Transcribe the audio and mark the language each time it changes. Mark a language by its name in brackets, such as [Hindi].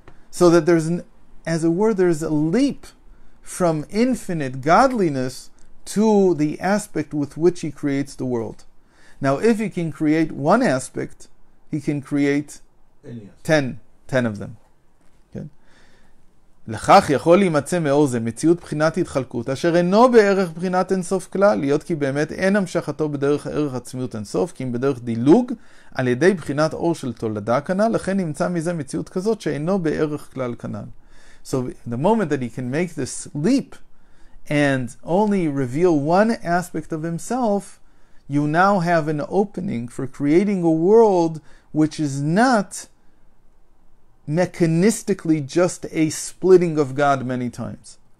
[English] So that there's an, as it were, there's a leap from infinite godliness to the aspect with which he creates the world. Now, if he can create one aspect, he can create ten of them. [Hebrew] לכך יכול להימצא מאור זה מציאות בחינת התחלקות אשר אינו בערך בחינת אינסוף כלל להיות כי באמת אין המשכתו בדרך ערך עצמיות אינסוף כי אם בדרך דילוג על ידי בחינת אור של תולדה כנל לכן נמצא מזה מציאות כזאת שאינו בערך כלל כנל. [English] So the moment that he can make this leap and only reveal one aspect of himself, you now have an opening for creating a world which is not mechanistically just a splitting of God many times.